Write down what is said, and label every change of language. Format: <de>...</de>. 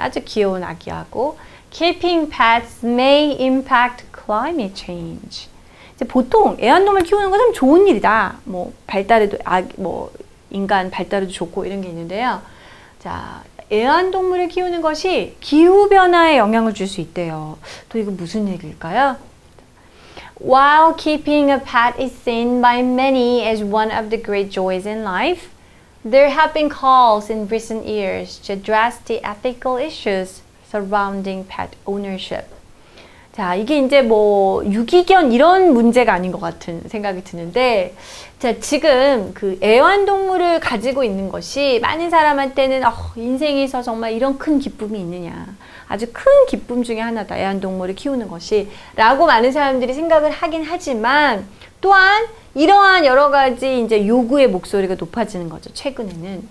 <ko>아주 귀여운 아기하고</ko> <en>Keeping pets may impact climate change.</en> <ko>이제 보통 애완동물 키우는 건 참 좋은 일이다. 뭐 발달에도 인간 발달에도 좋고 이런 게 있는데요. 자, 애완동물을 키우는 것이 기후변화에 영향을 줄 수 있대요. 또 이거 무슨 얘기일까요?</ko> <en>While keeping a pet is seen by many as one of the great joys in life, there have been calls in recent years to address the ethical issues surrounding pet ownership.</en> <ko>자, 이게 이제 뭐 유기견 이런 문제가 아닌 것 같은 생각이 드는데, 자, 지금 그 애완동물을 가지고 있는 것이 많은 사람한테는 인생에서 정말 이런 큰 기쁨이 있느냐. 아주 큰 기쁨 중에 하나다, 애완동물을 키우는 것이 라고 많은 사람들이 생각을 하긴 하지만 또한 이러한 여러 가지 이제 요구의 목소리가 높아지는 거죠, 최근에는.</ko>